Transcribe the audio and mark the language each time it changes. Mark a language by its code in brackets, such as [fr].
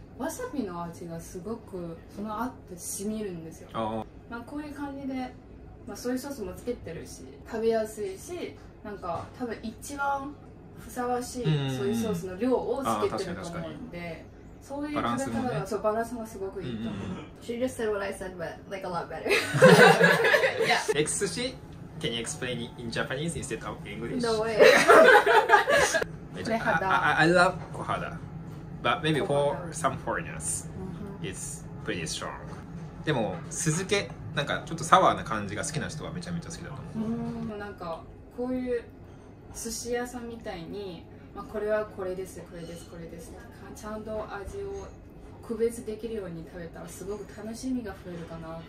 [ja] わさびの味がすごくそのあって染みるんですよ。まあこういう感じで、まあソイソースもつけてるし、食べやすいし、なんか多分一番ふさわしいソイソースの量をつけてると思うんで、そういう食べ方がそうバランスがすごくいいと思う。 [en] She just said what I said, but like a lot better. Yeah. Next sushi. Can you explain it in Japanese instead of English? No way. I love kohada. But maybe for some foreigners, it's pretty strong. But suzuke, like a little sour kind of feel, like people like it. Like this sushi restaurant, like this is this, this is this. Like, properly. [ja] 区別できるように食べたらすごく楽しみが増えるかな